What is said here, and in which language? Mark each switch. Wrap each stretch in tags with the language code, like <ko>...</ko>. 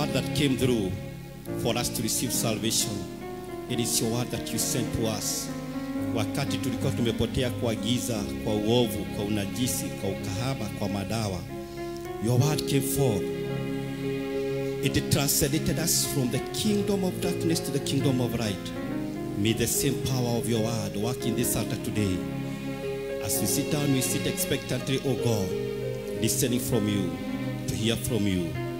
<en>Came through for us to receive salvation. It is your word that you sent to us.</en> <sw>Wakati tulikuwa tumepotea kwa giza, kwa uovu, kwa unajisi, kwa ukahaba, kwa madawa.</sw> <en>Your word came forth. It translated us from the kingdom of darkness to the kingdom of light. May the same power of your word work in this altar today. As we sit down, we sit expectantly, O God, listening from you, to hear from you.</en>